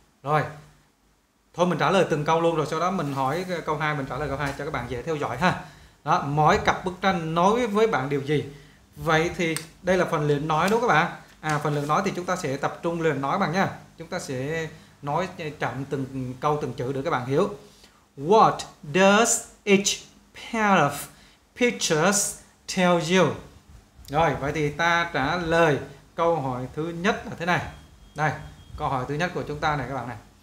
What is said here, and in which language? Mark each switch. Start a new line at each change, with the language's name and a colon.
Vietnamese: Rồi, thôi mình trả lời từng câu luôn rồi sau đó mình hỏi câu 2, mình trả lời câu 2 cho các bạn dễ theo dõi ha. Đó, mỗi cặp bức tranh nói với bạn điều gì? Vậy thì đây là phần luyện nói đúng không các bạn? À, phần luyện nói thì chúng ta sẽ tập trung luyện nói bằng nha. Chúng ta sẽ nói chậm từng câu từng chữ để các bạn hiểu.
English: What does each pair of pictures tell you?
Vietnamese: Rồi, vậy thì ta trả lời câu hỏi thứ nhất là thế này. Đây, câu hỏi thứ nhất của chúng ta này các bạn này.